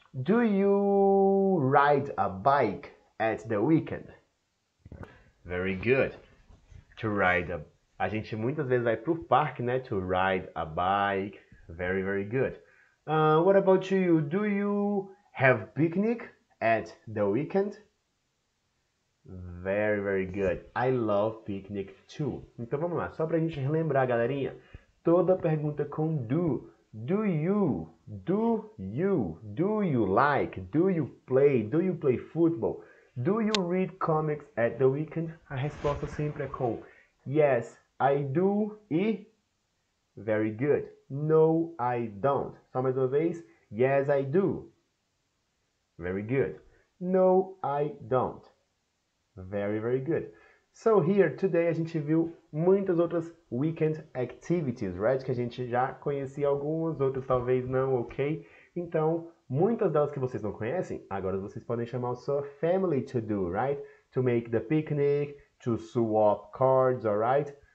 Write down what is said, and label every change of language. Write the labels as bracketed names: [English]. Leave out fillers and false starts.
[English] Do you ride a bike at the weekend? Very good. To ride a... [Portuguese] A gente muitas vezes vai pro parque, né? [English] To ride a bike. Very, very good. What about you? Do you have picnic at the weekend? Very, very good. I love picnic too. [Portuguese] Então vamos lá, só pra gente relembrar, galerinha. Toda pergunta com [English] do. Do you? Do you? Do you like? Do you play? Do you play football? Do you read comics at the weekend? [Portuguese] A resposta sempre é com [English] yes, I do. E very good. No, I don't. [Portuguese] Só mais uma vez. [English] Yes, I do. Very good. No, I don't. Very, very good. So here, today, [Portuguese] a gente viu muitas outras [English] weekend activities, right? [Portuguese] Que a gente já conhecia algumas, outras talvez não, ok? Então, muitas delas que vocês não conhecem, agora vocês podem chamar a sua [English] family to do, right? To make the picnic, to swap cards, alright?